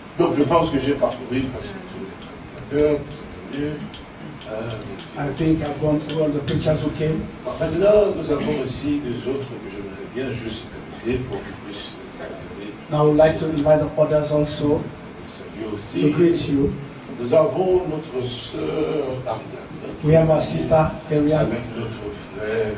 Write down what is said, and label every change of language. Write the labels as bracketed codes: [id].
[fr] Donc, je pense que j'ai parcouru parce que tous les prédicateurs, [en] I think I've gone through all the pictures, okay? [fr] Maintenant, nous avons aussi des autres que j'aimerais bien juste inviter pour que vous puissiez. [en] Now, I'd like to invite others also. [fr] Salut aussi. [en] To greet you. [fr] Nous avons notre sœur Ariane. [en] We have our sister Ariane. [fr] Avec notre frère.